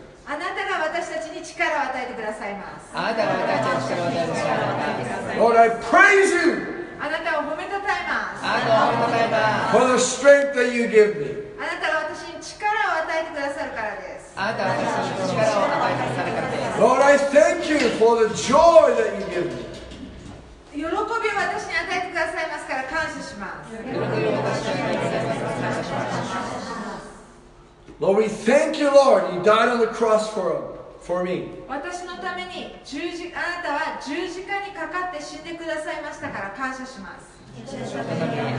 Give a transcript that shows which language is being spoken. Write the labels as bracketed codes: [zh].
[ja] あなたが私たちに力を与えてくださいます。あなたが私たちに力を与えてください [en] 。 Lord, I praise you. [ja] あなたを褒めたたえます。あなたを褒めたたえます。 [en] For the strength that you give me. [ja] あなたが私に力を与えてくださるからです。あなたが私たちに力を与えてくださるからです。 [en] Lord, I thank you for the joy that you give me. [ja] 喜びを私に与えてくださいますから感謝します。喜びを私に与えてくださいますから感謝します。 [en] Lord, we thank you, Lord. You died on the cross for me. [ja] 私のためにあなたは十字架にかかって死んでくださいましたから感謝します。